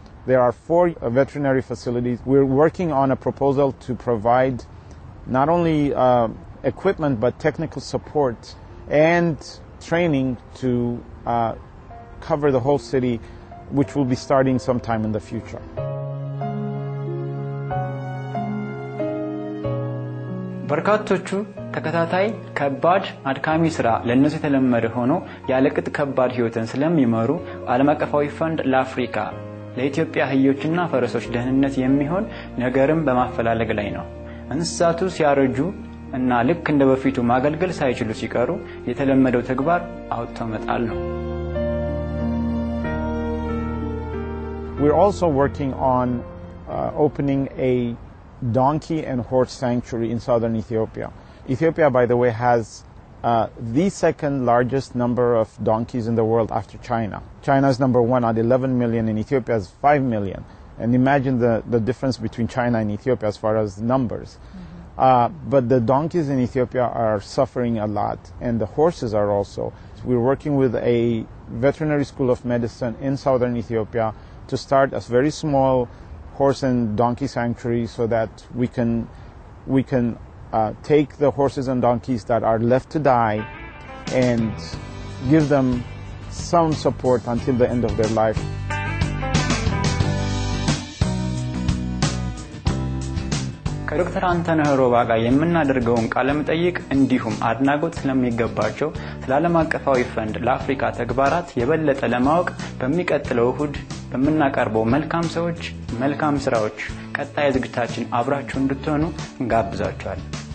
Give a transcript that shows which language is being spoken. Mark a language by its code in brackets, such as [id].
[en] There are four veterinary facilities. We're working on a proposal to provide not only equipment but technical support and training to cover the whole city, which will be starting sometime in the future. [am] በርካቶቹ ተከታታይ ከባድ አድካሚ ስራ ለነሱ የተለመደ ሆኖ ያለቅት ከባድ ህይወትን ስለሚመሩ ዓለም አቀፋዊ ፈንድ ለአፍሪካ ለኢትዮጵያ ህዮችና ፈረሶች ደህንነት የሚሆን ነገርም በማፈላለግ ላይ ነው። እንስሳቱ ሲያረጁ እና ልክ እንደ በፊቱ ማገልገል ሳይችሉ ሲቀሩ የተለመደው ተግባር አውቶማታል ነው። [en] We're also working on opening a donkey and horse sanctuary in southern Ethiopia. Ethiopia, by the way, has the second largest number of donkeys in the world after China. China's number one at 11 million and Ethiopia's 5 million. And imagine the difference between China and Ethiopia as far as numbers. Mm-hmm. But the donkeys in Ethiopia are suffering a lot, and the horses are also. So we're working with a veterinary school of medicine in southern Ethiopia to start a very small horse and donkey sanctuary so that we can take the horses and donkeys that are left to die and give them some support until the end of their life. [am] ከዶክተር አንተነህ ሮባ ጋር የምናደርገውን ቃለ መጠይቅ እንዲሁም አድናቆት ስለሚገባቸው ስለዓለም አቀፋዊ ፈንድ ለአፍሪካ ተግባራት የበለጠ ለማወቅ በሚቀጥለው እሁድ በመናቀርቦ መልካም ሰዎች መልካም ስራዎች ቀጣይ ዝግጅታችን አብራችሁ እንድትሆኑ እንጋብዛችኋለን።